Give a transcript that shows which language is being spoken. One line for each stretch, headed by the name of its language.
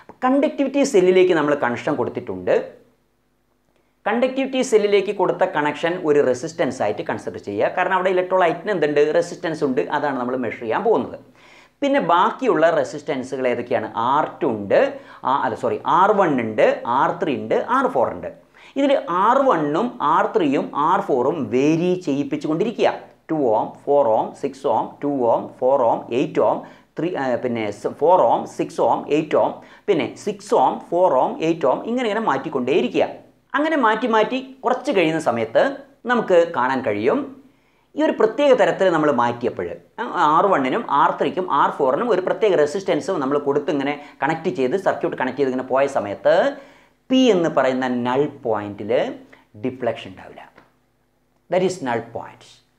Malayalam: Conductivity സെല്ലിലേക്ക് നമ്മൾ connection കൊടുത്തിട്ടുണ്ട്. Conductivity സെല്ലിലേക്ക് കൊടുത്ത കണക്ഷൻ ഒരു റെസിസ്റ്റൻസ് ആയിട്ട് കൺസിഡർ ചെയ്യുക. കാരണം അവിടെ ഇലക്ട്രോലൈറ്റിന് എന്തുണ്ട്? റെസിസ്റ്റൻസ് ഉണ്ട്. അതാണ് നമ്മൾ മെഷർ ചെയ്യാൻ പോകുന്നത്. പിന്നെ ബാക്കിയുള്ള റെസിസ്റ്റൻസുകൾ ഏതൊക്കെയാണ്? R2 ഉണ്ട്, അല്ല സോറി R1 ഉണ്ട്, R3 ഉണ്ട്, R4 ഉണ്ട്. ഇതിൽ R1 R3 R4 വേരി ചെയ്യിപ്പിച്ചു കൊണ്ടിരിക്കുക. 2 ohm, 4 ohm, 6 ohm, 2 ohm, 4 ohm, 8 ohm, 3 പിന്നെ 4 ohm, 6 ohm, 8 ohm, പിന്നെ 6 ohm, 4 ohm, 8 ohm, ഇങ്ങനെ ഇങ്ങനെ മാറ്റിക്കൊണ്ടേയിരിക്കുക. അങ്ങനെ മാറ്റി മാറ്റി കുറച്ച് കഴിയുന്ന സമയത്ത് നമുക്ക് കാണാൻ കഴിയും ഈ ഒരു പ്രത്യേക തരത്തിൽ നമ്മൾ മാറ്റിയപ്പോൾ R1 R3 R4 ഒരു പ്രത്യേക റെസിസ്റ്റൻസ് നമ്മൾ കൊടുത്തിങ്ങനെ കണക്റ്റ് ചെയ്ത് സർക്യൂട്ട് കണക്ട് ചെയ്ത് ഇങ്ങനെ പോയ സമയത്ത് പി എന്ന് പറയുന്ന നൾ പോയിന്റിൽ ഡിഫ്ലക്ഷൻ ഉണ്ടാവില്ല.
English: That is null point.